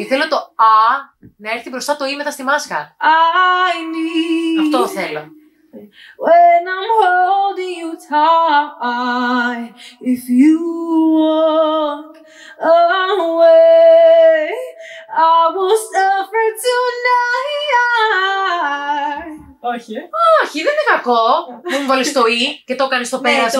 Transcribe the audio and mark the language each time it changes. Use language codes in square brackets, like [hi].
[el] Ήθελα το α να έρθει μπροστά το ή μετά στη μάσκα. [en] I need. [el] Αυτό θέλω. [en] When I'm holding you tight, if you walk away, I will suffer tonight. [el] Όχι. Όχι, δεν είναι κακό που μου βάλεις το «ι» και το κάνεις το πέρασμα.